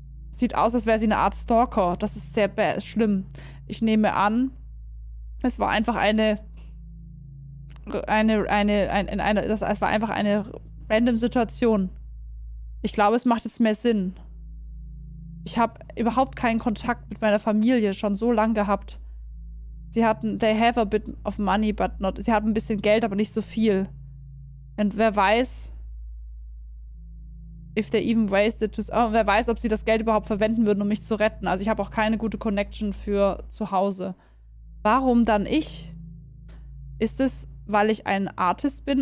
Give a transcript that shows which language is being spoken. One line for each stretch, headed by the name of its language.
German: Sieht aus, als wäre sie eine Art Stalker. Das ist sehr schlimm. Ich nehme an, es war einfach eine random Situation. Ich glaube, es macht jetzt mehr Sinn. Ich habe überhaupt keinen Kontakt mit meiner Familie schon so lange gehabt.
English: They have a bit of money, but not.
German: Sie haben ein bisschen Geld, aber nicht so viel. Und wer weiß,
English: if they even wasted to.
German: Oh, wer weiß, ob sie das Geld überhaupt verwenden würden, um mich zu retten. Also, ich habe auch keine gute Connection für zu Hause. Warum dann ich? Ist es, weil ich ein Artist bin?